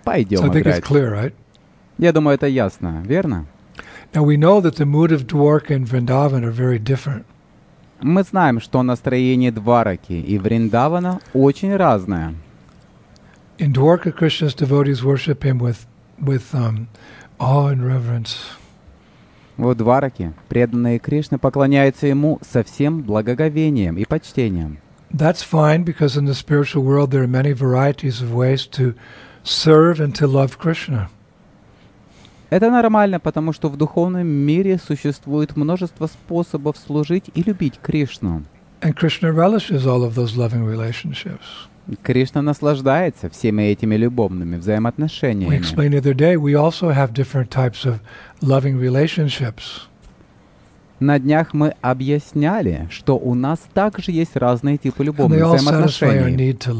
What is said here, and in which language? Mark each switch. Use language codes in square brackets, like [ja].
[ru] Пойдем играть. [en] So I think it's clear, right? [ru] Я думаю, это ясно, верно? [en] Now we know that the mood of Dwarka and Vrindavan are very different. [ru] Мы знаем, что настроение Двараки и Вриндавана очень разное. [en] In Dwarka, Krishna's devotees worship him with awe and reverence. [ru] В Двараке преданные Кришне поклоняются ему со всем благоговением и почтением. [en] That's fine, because in the spiritual world there are many varieties of ways to serve and to love Krishna. [ru] Это нормально, потому что в духовном мире существует множество способов служить и любить Кришну. [en] And Krishna relishes all of those loving relationships. [ru] Кришна наслаждается всеми этими любовными взаимоотношениями. [en] We explained the other day, we also have different types of loving relationships. [ru] На днях мы объясняли, что у нас также есть разные типы любовных взаимоотношений.